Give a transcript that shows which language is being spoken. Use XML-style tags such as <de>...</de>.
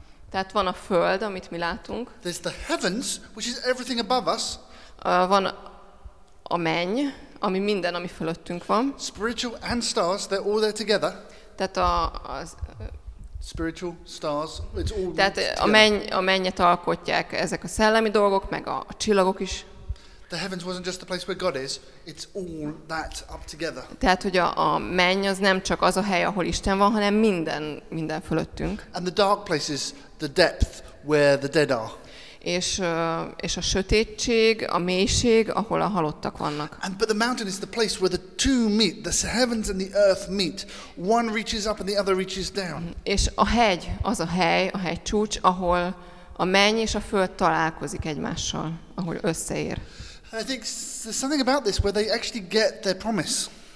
<hu>Tehát van a föld, amit mi látunk.</hu> <en>There's the heavens, which is everything above us.</en> <hu>Van a menny, ami minden, ami fölöttünk van.</hu> <en>Spiritual and stars, they're all there together.</en> <hu>Tehát</hu> <en>spiritual stars, it's all.</en> <hu>Tehát a mennyet alkotják ezek a szellemi dolgok, meg a csillagok is.</hu> <en>The heavens wasn't just the place where God is, it's all that up together.</en> <hu>Tehát hogy a menny az nem csak az a hely, ahol Isten van, hanem minden fölöttünk.</hu> <en>And the dark places, the depth where the dead are.</en> <hu>És a sötétség, a mélység, ahol a halottak vannak.</hu> <en>But the mountain is the place where the two meet, the heavens and the earth meet. One reaches up and the other reaches down.</en> <hu>És a hegy az a hegy csúcs, ahol a menny és a föld találkozik egymással, ahol összeér.</hu> <en>I think there's something about this where they actually get their promise.</en>